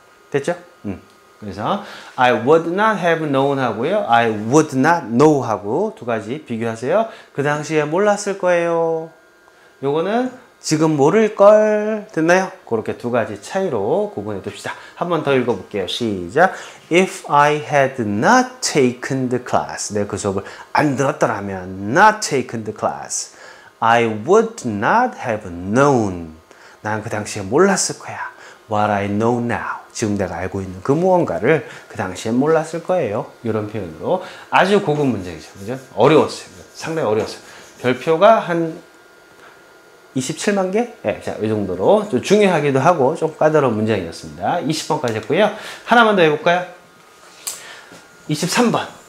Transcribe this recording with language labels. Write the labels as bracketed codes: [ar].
[ko] 됐죠? 그래서 [en] I would not have known [ko] 하고요, [en] I would not know [ko] 하고 두 가지 비교하세요. 그 당시에 몰랐을 거예요. 요거는 지금 모를 걸. 됐나요? 그렇게 두 가지 차이로 구분해 둡시다. 한 번 더 읽어볼게요. 시작. [en] If I had not taken the class, [ko] 내가 그 수업을 안 들었더라면, [en] not taken the class, I would not have known. [ko] 난 그 당시에 몰랐을 거야. [en] What I know now. [ko] 지금 내가 알고 있는 그 무언가를 그 당시에 몰랐을 거예요. 이런 표현으로 아주 고급 문장이죠. 그죠? 어려웠어요. 상당히 어려웠어요. 별표가 한 27만 개? 예, 네, 자, 이 정도로 좀 중요하기도 하고 좀 까다로운 문장이었습니다. 20번까지 했고요. 하나만 더 해볼까요? 23번.